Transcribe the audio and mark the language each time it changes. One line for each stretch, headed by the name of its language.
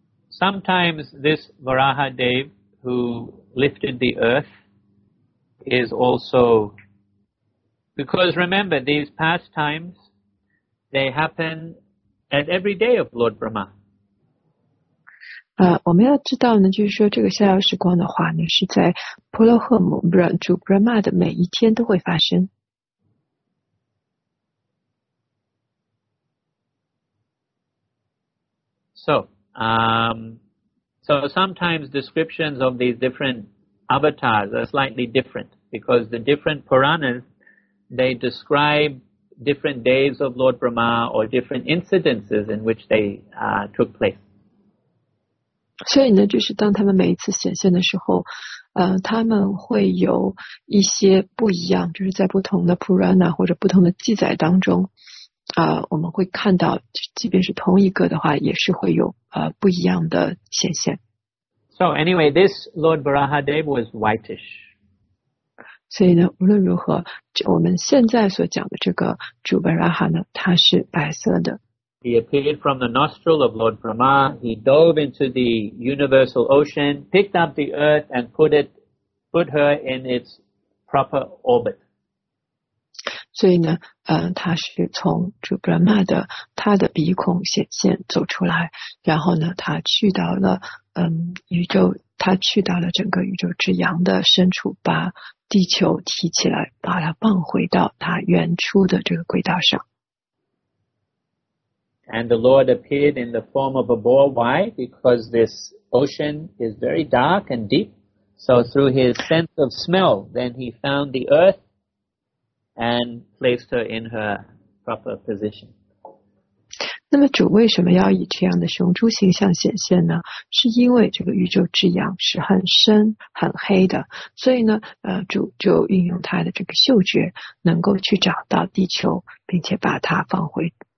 English: Sometimes this Varaha Dev who lifted the earth is also... Because remember, these past times, they happen at every day of Lord Brahma.
Chinese: 我们要知道呢，就是说这个逍遥时光的话呢，是在婆罗诃母主 Brahma 的每一天都会发生。
English: So sometimes descriptions of these different avatars are slightly different because the different Puranas they describe different days of Lord Brahma or different incidences in which they、took place.
Chinese: 所以呢就是当他们每一次显现的时候他们会有一些不一样就是在不同的 Purana 或者不同的记载当中我们会看到即便是同一个的话也是会有不一样的显现。
English: So anyway, this Lord Varaha Dev was whitish.
Chinese: 所以呢无论如何我们现在所讲的这个主 Varaha 呢它是白色的。
English: He appeared from the nostril of Lord Brahma. He dove into the universal ocean, picked up the earth, and put her in its proper orbit.
Chinese: 所以呢，他是从主 Brahma 的他的鼻孔显现走出来，然后呢，他去到了宇宙，他去到了整个宇宙之阳的深处，把地球提起来，把它放回到它原初的这个轨道上。
English: And the Lord appeared in the form of a boar. Why? Because this ocean is very dark and deep. So through his sense of smell, then he found the earth and placed her in her proper position.
Chinese: 那么主为什么要以这样的雄猪形象显现呢？是因为这个宇宙之阳是很深很黑的，所以呢，主就运用他的这个嗅觉，能够去找到地球，并且把它放回。